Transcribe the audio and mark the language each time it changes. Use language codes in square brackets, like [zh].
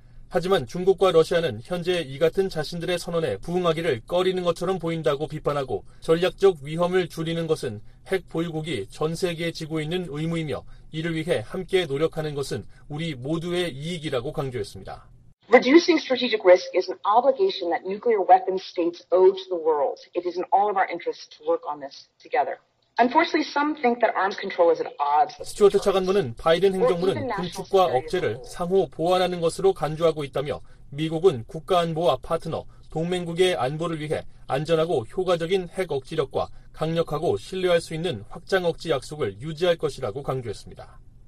[ko] 하지만 중국과 러시아는 현재 이 같은 자신들의 선언에 부응하기를 꺼리는 것처럼 보인다고 비판하고 전략적 위험을 줄이는 것은 핵 보유국이 전 세계에 지고 있는 의무이며 이를 위해 함께 노력하는 것은 우리 모두의 이익이라고 강조했습니다. [en] Reducing strategic risk is an obligation that nuclear weapon states owe to the world. It is in all of our interests to work on this together. Unfortunately, some think that arms control is at odds. [ko] 스튜어트 차관보는 바이든 행정부는 군축과 억제를 상호 보완하는 것으로 간주하고 있다며 미국은 국가 안보와 파트너, 동맹국의 안보를 위해 안전하고 효과적인 핵 억지력과 강력하고 신뢰할 수 있는 확장 억지 약속을 유지할 것이라고 강조했습니다.